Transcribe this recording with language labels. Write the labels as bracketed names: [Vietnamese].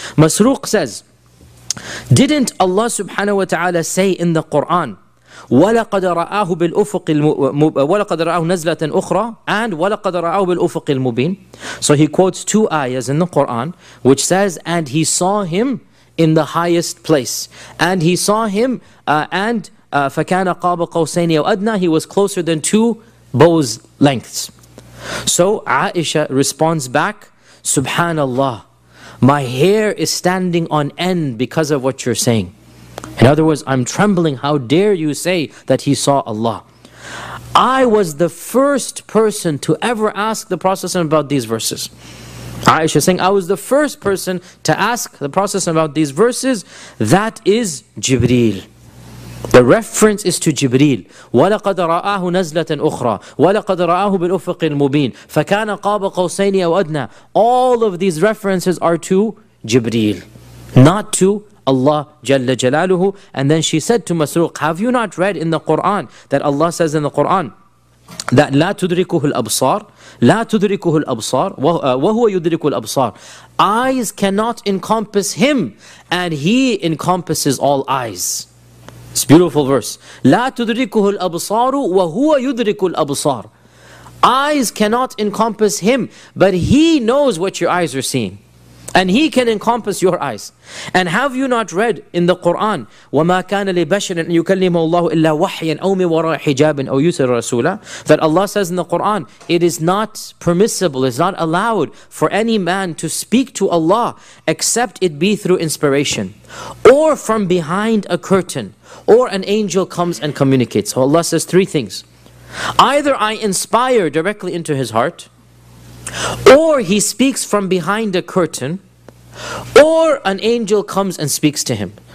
[English] Masruq says, didn't Allah subhanahu wa ta'ala say in the Quran, [Arabic] وَلَقَدْ رَآهُ بِالْأُفُقِ الْمُبِينَ وَلَقَدْ رَآهُ نَزْلَةً أُخْرَى [English] and [Arabic] وَلَقَدْ رَآهُ بِالْأُفُقِ الْمُبِينَ. [English] So he quotes two ayahs in the Quran, which says, and he saw him in the highest place. And he saw him, [Arabic] فَكَانَ قَابَ قَوْسَيْنِ أَوْ أَدْنَى. [English] He was closer than two bow's lengths. So Aisha responds back, Subhanallah, my hair is standing on end because of what you're saying. In other words, I'm trembling. How dare you say that he saw Allah? I was the first person to ever ask the Prophet about these verses. Aisha is saying, I was the first person to ask the Prophet about these verses. That is Jibreel. The reference is to Jibreel. [Arabic] وَلَقَدْ رَآهُ نَزْلَةً أُخْرَى وَلَقَدْ رَآهُ بِالْأُفُقِ الْمُبِينَ فَكَانَ قَابَ قَوْسَيْنِ أَوْ أَدْنَى. [English] All of these references are to Jibreel, not to Allah Jalla Jalaluhu. And then she said to Masruq, have you not read in the Quran that Allah says in the Quran that [Arabic] لا تدركه الأبصار لا تدركه الأبصار وهو يدرك الأبصار. [English] Eyes cannot encompass him and he encompasses all eyes. It's a beautiful verse. [Arabic] لا تدركه الأبصار وهو يدرك الأبصار. [English] Eyes cannot encompass him, but he knows what your eyes are seeing. And he can encompass your eyes. And have you not read in the Quran, [Arabic] وَمَا كَانَ لِبَشْرٍ أَن يُكَلِّمَهُ اللَّهُ إِلَّا وَحْيًا أَوْ مِنْ وَرَاءِ حِجَابٍ أَوْ يُرْسِلَ رَسُولًا. [English] That Allah says in the Quran, it is not permissible, it's not allowed for any man to speak to Allah except it be through inspiration or from behind a curtain or an angel comes and communicates. So Allah says three things. Either I inspire directly into his heart, or he speaks from behind a curtain, or an angel comes and speaks to him.